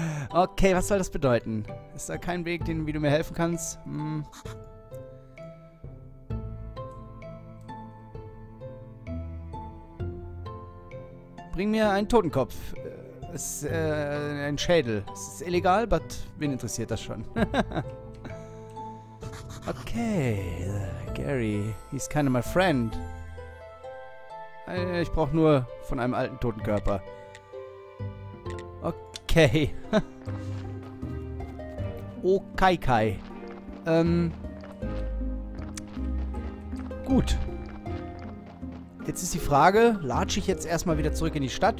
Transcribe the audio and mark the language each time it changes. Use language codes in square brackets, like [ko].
[de] Okay, was soll das bedeuten? Ist da kein Weg, den, wie du mir helfen kannst? Bring mir einen Totenkopf. Es ist ein Schädel. Es ist illegal, aber wen interessiert das schon? [en] Okay, Gary, he's kind of my friend. [de] Ich brauche nur von einem alten Totenkörper. Okay. Okay, Kai. Gut. Jetzt ist die Frage, latsche ich jetzt erstmal wieder zurück in die Stadt?